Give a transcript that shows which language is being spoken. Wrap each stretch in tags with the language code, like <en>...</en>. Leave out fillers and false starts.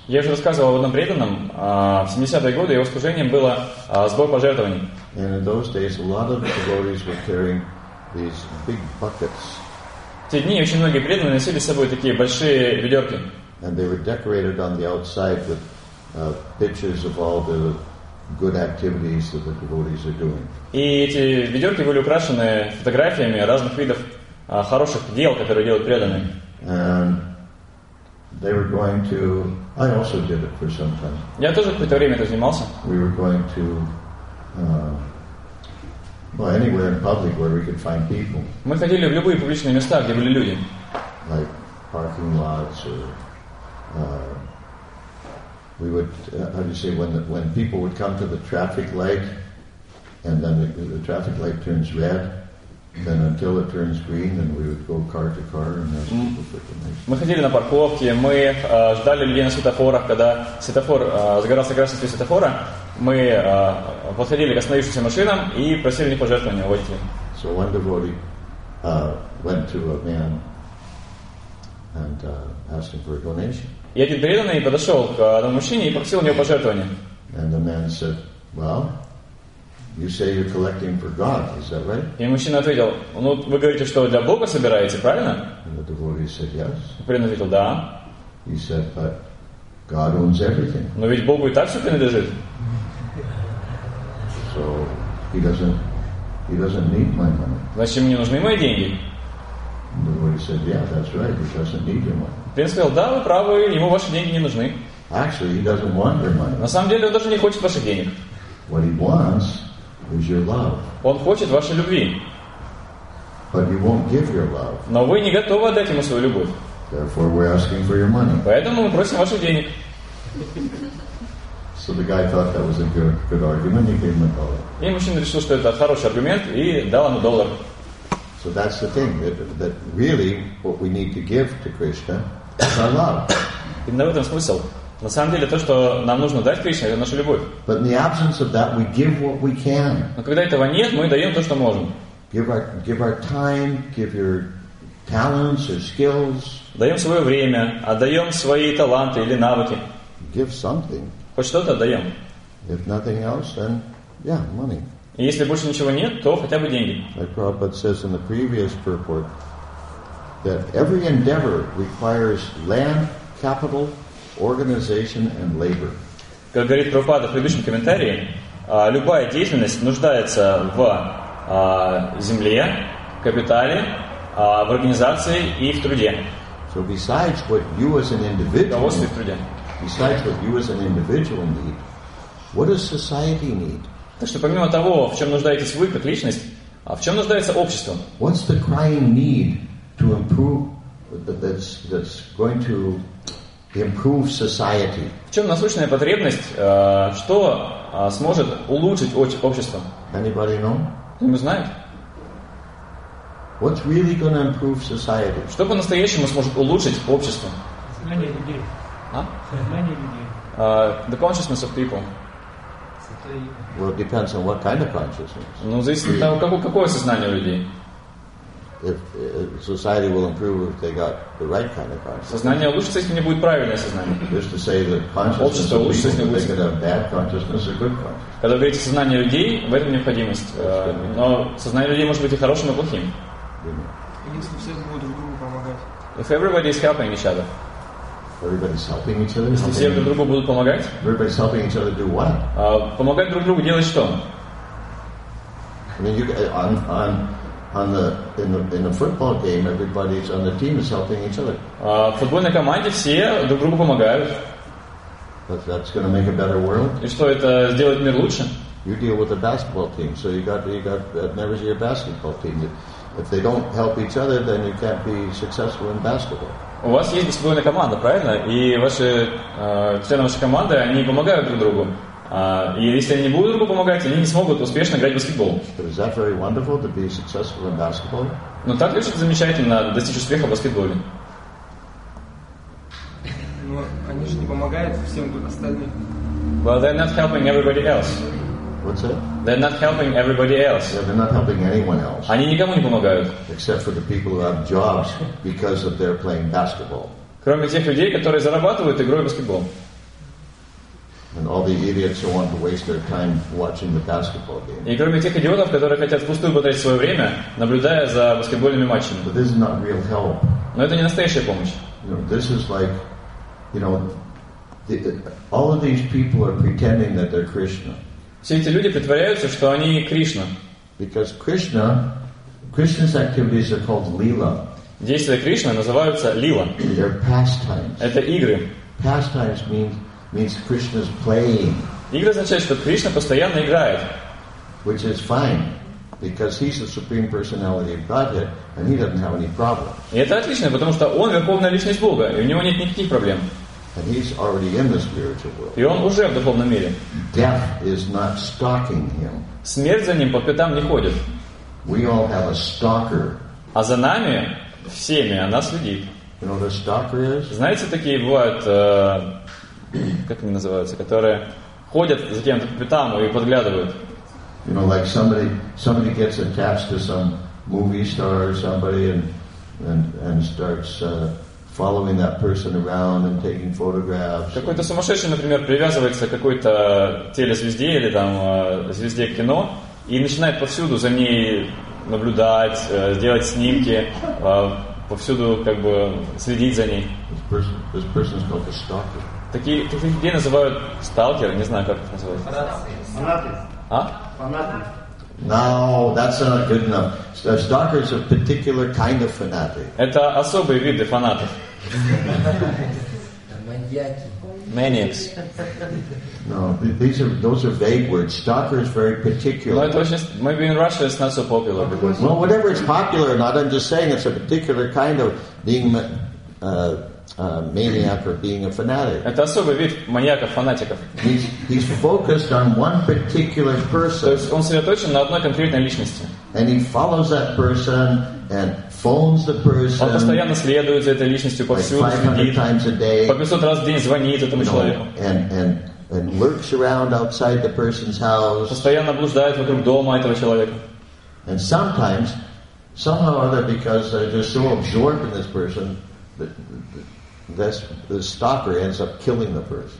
<ru>Я уже рассказывал об одном преданном. В 70-е годы его служением было сбор пожертвований.</ru> <en>And in those days a lot of devotees were carrying these big buckets.</en> <ru>В те дни очень многие преданные носили с собой такие большие ведерки.</ru> <en>And they were decorated on the outside with pictures of all the good activities that the devotees are doing.</en> <ru>И эти ведерки были украшены фотографиями разных видов хороших дел, которые делают преданные.</ru> <en>And they were going to. I also did it for some time.</en> <ru>Я тоже какое-то время это занимался.</ru> <en>We were going to. Well, anywhere in public where we could find people.</en> <ru>Мы ходили в любые публичные места, где были люди.</ru> <en>Like parking lots, or we would, how do you say, when people would come to the traffic light, and then the traffic light turns red, then until it turns green, then we would go car to car and ask people for donations.</en> <ru>Мы ходили на парковки, мы ждали людей на светофорах, когда светофор загорался красным свет светофора. Мы подходили к остановившимся машинам и просили них пожертвования у водителя.</ru> <en>So one devotee went to a man and asked him for a donation.</en> <ru>И один преданный подошел к одному мужчине и попросил у него пожертвования.</ru> <en>And the man said, well, you say you're collecting for God, is that right?</en> <ru>И мужчина ответил, ну, вы говорите, что для Бога собираете, правильно?</ru> <en>And the devotee said, yes.</en> <ru>Преданный ответил, да.</ru> <en>He said, but God owns everything.</en> <ru>Но ведь Богу и так все принадлежит.</ru> <en>So he doesn't need my money.</en> <ru>Значит, ему не нужны мои деньги.</ru> <en>The devotee said, yeah, that's right, he doesn't need your money.</en> <ru>Преданный сказал, да, вы правы, ему ваши деньги не нужны.</ru> <en>Actually, he doesn't want your money.</en> <ru>На самом деле, он даже не хочет ваших денег.</ru> <en>What he wants is your love.</en> <ru>Он хочет вашей любви.</ru> <en>But he won't give your love.</en> <ru>Но вы не готовы отдать ему свою любовь.</ru> <en>Therefore, we're asking for your money.</en> <ru>Поэтому мы просим ваших денег.</ru> <en>So the guy thought that was a good argument. He gave him a dollar.</en> <ru>И мужчина решил, что это хороший аргумент, и дал ему доллар.</ru> <en>So that's the thing that really what we need to give to Krishna is our love.</en> <ru>Именно в этом смысл. На самом деле то, что нам нужно дать Кришне, это наша любовь.</ru> <en>But in the absence of that, we give what we can.</en> <ru>Но когда этого нет, мы даем то, что можем.</ru> <en>Give our time, give your talents or skills.</en> <ru>Даем свое время, отдаем свои таланты или навыки.</ru> <en>Give something.</en> <ru>Хоть что-то отдаем.</ru> <en>If nothing else, then yeah, money.</en> <ru>И если больше ничего нет, то хотя бы деньги.</ru> <en>Like Prabhupada says in the previous purport, that every endeavor requires land, capital, organization, and labor.</en> <ru>Как говорит Прабхупада в предыдущем комментарии, любая деятельность нуждается в земле, капитале, в организации и в труде.</ru> <en>So besides what you as an individual,</en> <ru>довольствие в труде.</ru> <en>Besides what you as an individual need, what does society need?</en> <ru>Так что помимо того, в чем нуждаетесь вы как личность, а в чем нуждается общество?</ru> <en>What's the crying need to improve that's going to improve society?</en> <ru>В чем насущная потребность, что сможет улучшить общество?</ru> <en>Anybody know?</en> <ru>Кто-нибудь знает?</ru> <en>What's really going to improve society?</en> <ru>Что по-настоящему сможет улучшить общество? Знание людей. А? Знание людей.</ru> <en>The consciousness of people. Well, it depends on what kind of consciousness.</en> <ru>Ну, зависит от того, какое сознание у людей.</ru> <en>If society will improve if they got the right kind of consciousness.</en> <ru>Сознание улучшится, если не будет правильное сознание.</ru> <en>Just to say that consciousness will improve if they could have bad consciousness or good consciousness.</en> <ru>Когда вы говорите сознание людей, в этом необходимость. Но сознание людей может быть и хорошим, и плохим. Если все будут друг другу помогать.</ru> <en>If everybody is helping each other. Everybody's helping each other.</en> <ru>Если все друг другу будут помогать,</ru> <en>everybody's helping each other do what?</en> <ru>Помогать друг другу делать что?</ru> <en>I mean, in the football game, everybody's on the team is helping each other.</en> <ru>В футбольной команде все друг другу помогают.</ru> <en>But that's going to make a better world.</en> <ru>И что это сделает мир лучше?</ru> <en>You deal with a basketball team, so you got never see a basketball team. If they don't help each other, then you can't be successful in basketball.</en> <ru>У вас есть баскетбольная команда, правильно? И ваши члены вашей команды, они помогают друг другу. И если они не будут друг другу помогать, они не смогут успешно играть в баскетбол.</ru> <en>But is that very wonderful to be successful in basketball?</en> <ru>Ну так ли это замечательно достичь успеха в баскетболе? Но они же не помогают всем остальным.</ru> <en>Well, they're not helping everybody else. What's that? They're not helping everybody else. Yeah, they're not helping anyone else.</en> <ru>Они никому не помогают.</ru> <en>Except for the people who have jobs because of their playing basketball.</en> <ru>Кроме тех людей, которые зарабатывают игрой в баскетбол.</ru> <en>And all the idiots who want to waste their time watching the basketball game.</en> <ru>И кроме тех идиотов, которые хотят впустую потратить свое время, наблюдая за баскетбольными матчами.</ru> <en>But this is not real help.</en> <ru>Но это не настоящая помощь.</ru> <en>You know, this is like, you know, all of these people are pretending that they're Krishna.</en> <ru>Все эти люди притворяются, что они Кришна.</ru> <en>Because Krishna, Krishna's activities are called lila.</en> <ru>Действия Кришны называются лила.</ru> <en>They're pastimes.</en> <ru>Это игры.</ru> <en>Pastimes means Krishna's playing.</en> <ru>Игры означают, что Кришна постоянно играет.</ru> <en>Which is fine, because he's the supreme personality of Godhead, and he doesn't have any problem.</en> <ru>И это отлично, потому что он верховная личность Бога, и у него нет никаких проблем.</ru> <en>And he's already in the spiritual world.</en> <ru>И он уже в духовном мире.</ru> <en>Death is not stalking him.</en> <ru>Смерть за ним по пятам не ходит.</ru> <en>We all have a stalker.</en> <ru>А за нами всеми она следит.</ru> <en>You know what a stalker is?</en> <ru>Знаете, такие бывают, как они называются, которые ходят за кем-то по пятам и подглядывают.</ru> <en>You know, like somebody gets attached to some movie star or somebody and starts. Following that person around and taking photographs.</en> <ru>Какой-то сумасшедший, например, привязывается к какой-то телезвезде или там звезде кино и начинает повсюду за ней наблюдать, делать снимки, повсюду как бы следить за ней. This person is called a stalker. Таких людей называют сталкер, не знаю, как их называют. Фанаты. А?</ru> <en>No, that's not good enough. A stalker is a particular kind of fanatic.</en> <ru>Это особые виды фанатов.</ru> <en>Maniacs. No, those are vague words. Stalker is very particular. Well, it was just, maybe in Russia it's not so popular. Well, whatever is popular or not, I'm just saying it's a particular kind of being maniac or being a fanatic.</en> <ru>Это особый вид маньяков, фанатиков.</ru> <en>He's focused on one particular person.</en> <ru>То есть он сосредоточен на одной конкретной личности.</ru> <en>And he follows that person and phones the person.</en> <ru>Он постоянно следует за этой личностью повсюду,</ru> <en>like 500</en> <ru>следит,</ru> <en>times a day.</en> <ru>По 500 раз в день звонит этому человеку.</ru> <en>And lurks around outside the person's house.</en> <ru>Постоянно блуждает вокруг дома этого человека.</ru> <en>And sometimes, somehow or other, because they're just so absorbed in this person, the stalker ends up killing the person.</en>